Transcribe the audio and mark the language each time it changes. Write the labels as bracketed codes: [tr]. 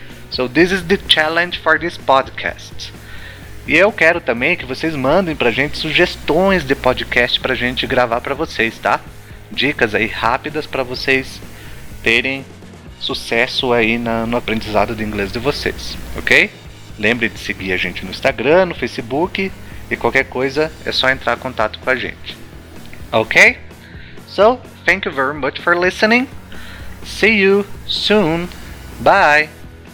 [en] So, this is the challenge for this podcast. [pt] E eu quero também que vocês mandem pra gente sugestões de podcast pra gente gravar pra vocês, tá? Dicas aí rápidas pra vocês terem sucesso aí no aprendizado de inglês de vocês, ok? Lembre de seguir a gente no Instagram, no Facebook, e qualquer coisa é só entrar em contato com a gente. Ok? [en] So, thank you very much for listening. See you soon. Bye!